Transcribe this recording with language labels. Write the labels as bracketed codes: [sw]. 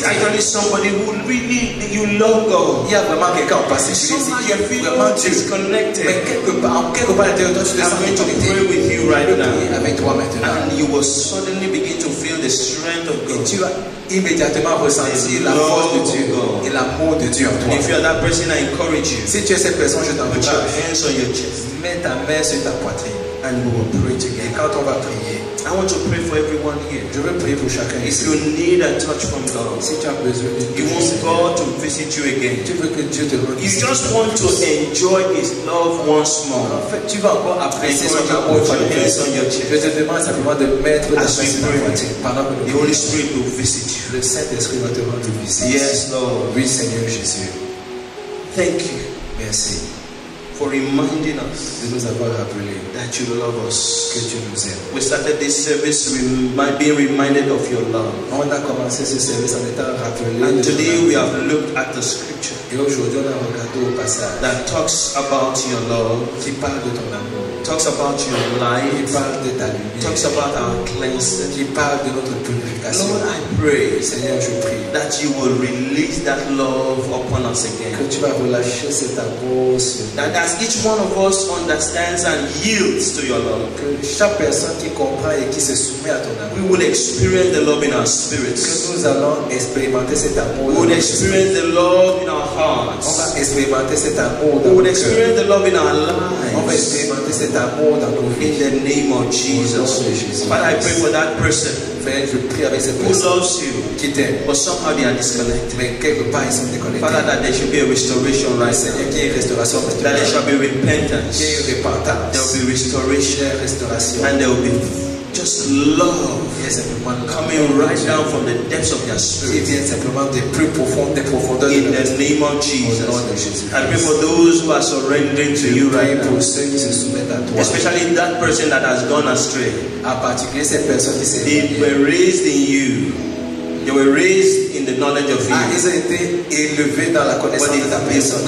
[en] It's actually somebody who really you love God. [fr] Il y a vraiment quelqu'un au passé. [en] Somehow you feel disconnected. [fr] Mais quelque part intérieur, toi, tu te sens déconnecté. [en] I'm going to pray with you right now. [fr] Avec toi maintenant. [en] And you will suddenly begin to feel the strength of God. [fr] Immédiatement ressentir la force de Dieu et l'amour de Dieu en toi. [en] If you are that person, I encourage you. [fr] Si tu es cette personne, je t'encourage. [en] Put your hands on your chest. [fr] Mets ta main sur ta poitrine. [en] and we will pray together. [fr] Et quand on va prier, [en] I want to pray for everyone here. [fr] Je veux prier pour chacun. [en] If you need a touch from God, [fr] si tu as besoin de [en] He wants God to visit you again. [fr] Tu veux que Dieu te [en] He just wants to enjoy His love once more. [fr] En fait, tu vas encore apprécier son [en] amour. Put your hands on your chest. [fr] Je te demande simplement de mettre ta main sur ta poitrine. [en] The Holy Spirit will visit you. [fr] Le Saint-Esprit va te rendre visite. [en] Yes, Lord. [fr] Oui, Seigneur Jésus. [en] Thank you. [fr] Merci. [en] For reminding us [fr] de nous avoir rappelé [en] that you love us. [fr] Que tu nous aimes. [en] We started this service being reminded of your love. [fr] On a commencé ce service en étant rappelé. [en] And today we have looked at the scripture. [fr] Et aujourd'hui on a regardé au passage [en] that talks about your love. [fr] Qui parle de ton amour. [en] Talks about your life. [fr] Qui parle de ta lumière. [en] Talks about our cleansing. [fr] Qui parle de notre purification. [en] Lord, I pray, [fr] Seigneur, je prie, [en] that you will release that love upon us again. [fr] Que tu vas relâcher cet amour sur nous. [en] That as each one of us understands and yields to your love, [fr] que chaque personne qui comprend et qui se soumet à ton amour, [en] we will experience the love in our spirits. [fr] Que nous allons expérimenter cet amour. [en] We will experience the love in our hearts. [fr] On va expérimenter cet amour. [en] We will experience the love in our lives. [fr] On va expérimenter cet amour dans nos vies. [en] In the name of Jesus. Father, I pray for that person. [fr] Je prie avec cette [en] who loves you, [fr] qui t'aime, [en] but somehow they are disconnected. [fr] Mais quelque part ils sont déconnectés. [en] Father, that there should be a restoration, right? [fr] Seigneur, qu'il y ait restauration. [en] That there shall be repentance. [fr] Qu'il y ait repentance. [en] There will be restoration, [fr] restauration. [en] And there will be just love. Yes, everyone. Coming right down from the depths of your spirit. [fr] Et bien simplement des plus profonds, des profondeurs. [en] In the name of Jesus. [fr] Au nom de Jésus. [en] I pray for those who are surrendering to you right now. [fr] Pour ceux qui se soumettent à toi. [en] Especially that person that has gone astray. [fr] En particulier cette personne qui s'est éloignée. [en] They were raised in you. They were raised in the knowledge of you. [fr] Ah, ils ont été élevés dans la connaissance de ta personne.